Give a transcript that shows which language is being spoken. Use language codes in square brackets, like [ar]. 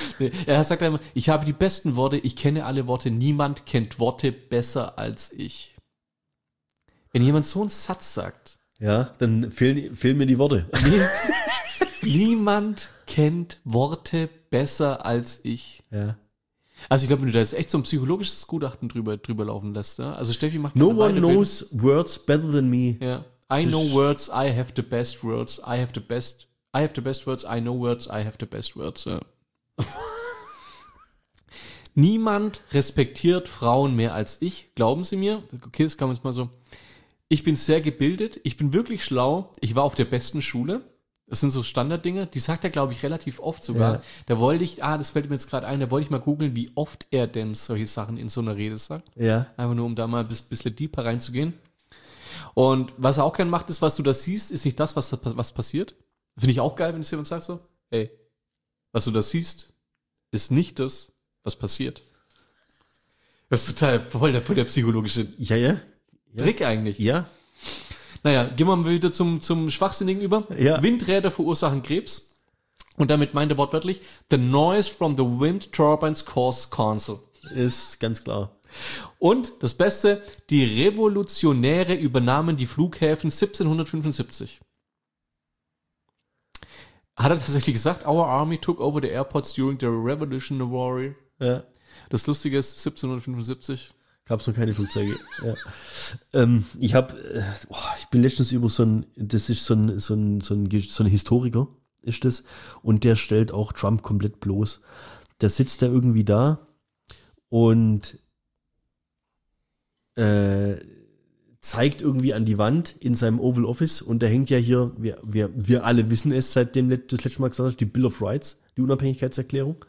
[de] Nee, er sagt immer, ich habe die besten Worte, ich kenne alle Worte, niemand kennt Worte besser als ich. Wenn jemand so einen Satz sagt. Ja, dann fehlen mir die Worte. Niemand kennt Worte besser als ich. Ja. Also ich glaube, wenn du da jetzt echt so ein psychologisches Gutachten drüber laufen lässt, ne? Also Steffi macht keine Weiterbildung. [en] No one knows words better than me. Yeah. I know words, I have the best words, I have the best, I have the best words, I know words, I have the best words. [de] Ja. Niemand respektiert Frauen mehr als ich, glauben Sie mir? Okay, das kann man jetzt mal so. Ich bin sehr gebildet, ich bin wirklich schlau, ich war auf der besten Schule. Das sind so Standarddinge, die sagt er, glaube ich, relativ oft sogar. Ja. Da wollte ich, das fällt mir jetzt gerade ein, da wollte ich mal googeln, wie oft er denn solche Sachen in so einer Rede sagt. Ja. Einfach nur, um da mal ein bisschen deeper reinzugehen. Und was er auch gern macht, ist, was du da siehst, ist nicht das, was passiert. Finde ich auch geil, wenn es jemand sagt so, ey, was du da siehst, ist nicht das, was passiert. Das ist total voll der psychologische Trick eigentlich. Ja. Naja, gehen wir mal wieder zum Schwachsinnigen über. Ja. Windräder verursachen Krebs. Und damit meint er wortwörtlich, [en] the noise from the wind turbines cause cancer. [de] Ist ganz klar. Und das Beste, die Revolutionäre übernahmen die Flughäfen 1775. Hat er tatsächlich gesagt, [en] our army took over the airports during the Revolutionary War. [de] Ja. Das Lustige ist, 1775. Gab's noch keine Flugzeuge. Ja. Ich bin letztens über so ein Historiker ist das, und der stellt auch Trump komplett bloß. Der sitzt da irgendwie da und zeigt irgendwie an die Wand in seinem Oval Office, und da hängt ja hier, wir alle wissen es seitdem das letzte Mal gesagt hast, die Bill of Rights, die Unabhängigkeitserklärung.